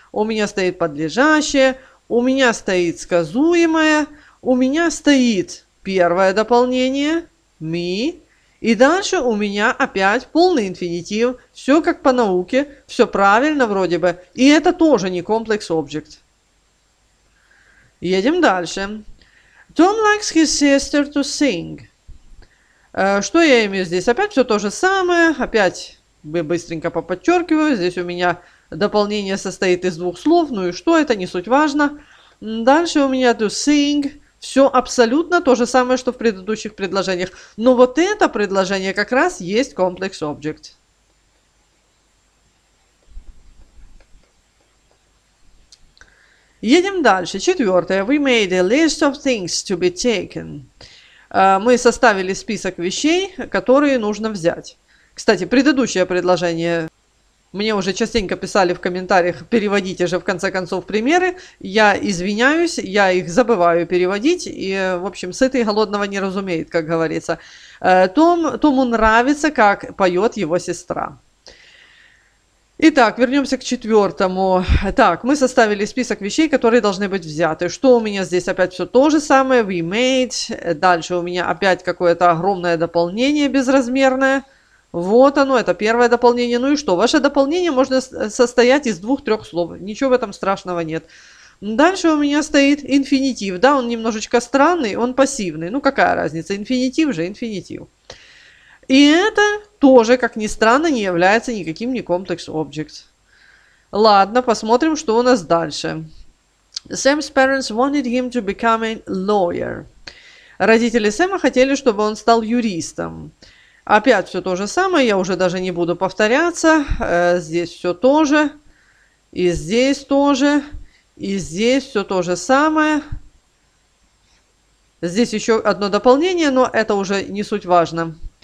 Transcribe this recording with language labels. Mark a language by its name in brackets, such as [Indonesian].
[Russian] У меня стоит подлежащее. У меня стоит сказуемое. У меня стоит первое дополнение. [English] Me. [Russian] И дальше у меня опять полный инфинитив, все как по науке, все правильно вроде бы. И это тоже не complex object. Едем дальше. [English] Tom likes his sister to sing. [Russian] Что я имею здесь? Опять все то же самое. Опять быстренько поподчеркиваю. Здесь у меня дополнение состоит из двух слов. Ну и что это, не суть важно. Дальше у меня to sing. Все абсолютно то же самое, что в предыдущих предложениях. Но вот это предложение как раз есть complex object. Едем дальше. Четвертое. [English] We made a list of things to be taken. [Russian] Мы составили список вещей, которые нужно взять. Кстати, предыдущее предложение... Мне уже частенько писали в комментариях, переводите же в конце концов примеры. Я извиняюсь, я их забываю переводить. И, в общем, сытый голодного не разумеет, как говорится. Тому нравится, как поет его сестра. Итак, вернемся к четвертому. Так, мы составили список вещей, которые должны быть взяты. Что у меня здесь? Опять все то же самое. [English] We made. [Russian] Дальше у меня опять какое-то огромное дополнение безразмерное. Вот оно, это первое дополнение. Ну и что? Ваше дополнение можно состоять из двух-трех слов. Ничего в этом страшного нет. Дальше у меня стоит инфинитив. Да, он немножечко странный, он пассивный. Ну какая разница? Инфинитив же инфинитив. И это тоже, как ни странно, не является никаким не complex object. Ладно, посмотрим, что у нас дальше. [English] Sam's parents wanted him to become a lawyer. [Russian] Родители Сэма хотели, чтобы он стал юристом. Опять все то же самое, я уже даже не буду повторяться. Здесь все то же, и здесь тоже, и здесь все то же самое. Здесь еще одно дополнение, но это уже не суть важно.